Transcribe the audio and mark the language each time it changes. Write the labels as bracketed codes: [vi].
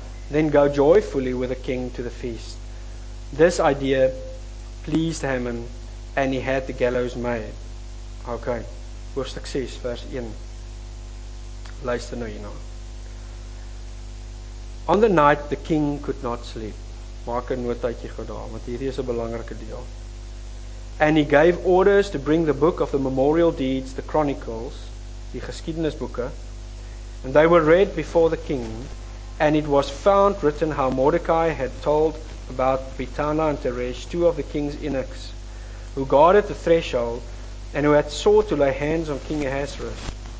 [en] Then go joyfully with the king to the feast. This idea pleased Haman, and he had the gallows made. [af] Okay, hoofdstuk 6 vers 1. Luister nou hierna. [en] On the night the king could not sleep. [af] Maak 'n notaatjie gedaan, want hierdie is 'n belangrike deel. [en] And he gave orders to bring the book of the memorial deeds, the chronicles, [af] die geskiedenisboeke, [en] and they were read before the king, and it was found written how Mordecai had told about Bithana and Teresh, two of the king's eunuchs, who guarded the threshold, and who had sought to lay hands on King Ahasuerus.